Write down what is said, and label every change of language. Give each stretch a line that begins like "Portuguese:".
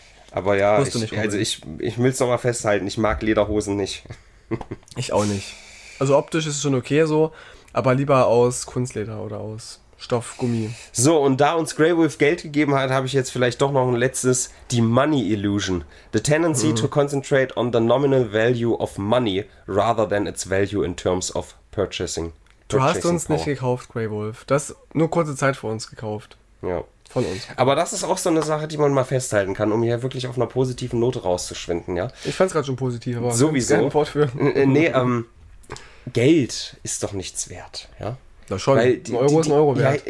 German: Aber ja, ich will es nochmal festhalten. Ich mag Lederhosen nicht. Ich auch nicht. Also optisch ist es schon okay so, aber lieber aus Kunstleder oder aus Stoff, Gummi. So, und da uns Greywolf Geld gegeben hat, habe ich jetzt vielleicht doch noch ein letztes, die Money Illusion.
English: The tendency to concentrate on the nominal value of money rather than its value in terms of purchasing.
German: Du hast uns
English: power.
German: Nicht gekauft, Greywolf. Du hast nur kurze Zeit vor uns gekauft. Ja. Von uns. Aber das ist auch so eine Sache, die man mal festhalten kann, um hier wirklich auf einer positiven Note rauszuschwinden, ja? Ich fand es gerade schon positiv, aber sowieso. Gerne fortführen. Nee, Geld ist doch nichts wert, ja? Na schon, ein Euro ist ein Euro wert.